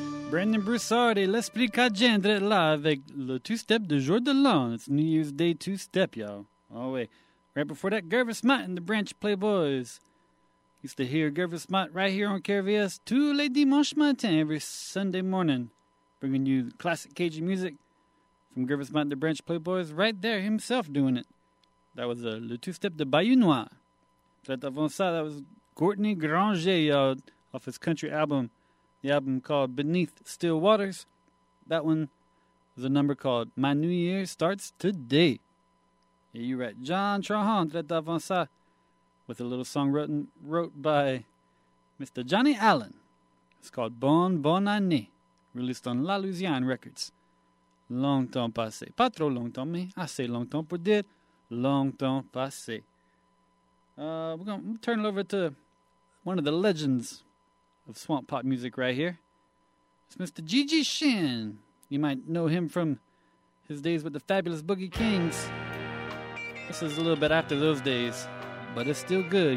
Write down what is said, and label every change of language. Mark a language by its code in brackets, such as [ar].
[fr] Brandon Broussard et l'Esprit Cadjandre là avec le two-step du jour de l'an. [en] It's New Year's Day two-step, y'all. Oh, wait. Right before that, Gervis Smut and the Branch Playboys. Used to hear Gervis Smut right here on KRVS [fr] tous les dimanches matin, [en] every Sunday morning. Bringing you classic Cajun music from Gervis Smut and the Branch Playboys right there himself doing it. That was le two-step de Bayou Noir. Right [fr] avant ça, [en] that was Courtney Granger, y'all, off his country album. The album called Beneath Still Waters. That one is a number called My New Year Starts Today. Yeah, you're right. John Trahan, Traite [fr] d'Avant ça, [en] with a little song wrote by Mr. Johnny Allen. It's called Bon Bon Année, released on La Louisiane Records. [fr] Long temps passé. Pas trop longtemps, mais assez longtemps pour dire. Long temps passé. [en] We're going to turn it over to one of the legends of swamp pop music right here. It's Mr. G.G. Shin. You might know him from his days with the Fabulous Boogie Kings. This is a little bit after those days, but it's still good.